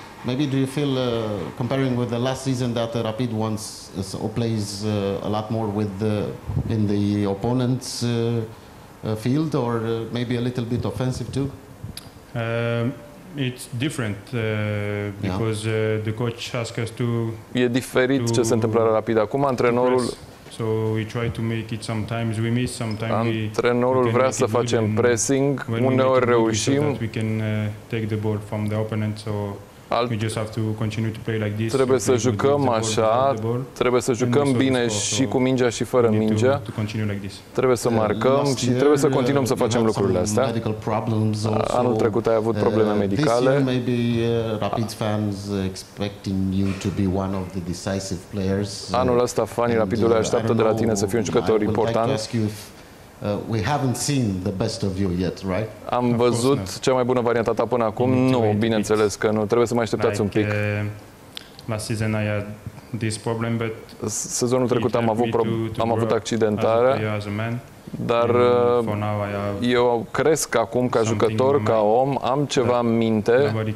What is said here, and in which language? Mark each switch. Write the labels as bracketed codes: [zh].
[en] Maybe do you feel comparing with the last season that Rapid wants or plays a lot more with in the opponent's field or maybe a little bit offensive too? It's different because the coach asks us to. [ro] E diferit ce se întâmplă la Rapid acum, antrenorul. [en] So we try to make it sometimes we miss sometimes we. [ro] Antrenorul vrea să facem pressing, uneori reușim. [en] So we can take the ball from the opponent, so we just have to continue to play like this. [ro] Trebuie să jucăm așa, trebuie să jucăm bine și cu mingea și fără mingea. Trebuie să marcăm și trebuie să continuăm să facem lucrurile astea. Anul trecut ai avut probleme medicale. [en] Maybe Rapid fans expecting you to be one of the decisive players. [ro] Anul ăsta fanii Rapidului așteaptă de la tine să fii un jucător important. [en] We haven't seen the best of you yet, right? [ro] Am văzut cea mai bună variantă ta până acum. Nu, bineînțeles că nu. Trebuie să mai așteptați un pic. [en] Last season I had this problem, but [ro] sezonul trecut am avut accidentare. Dar eu cresc acum ca jucător, ca om, am ceva în minte.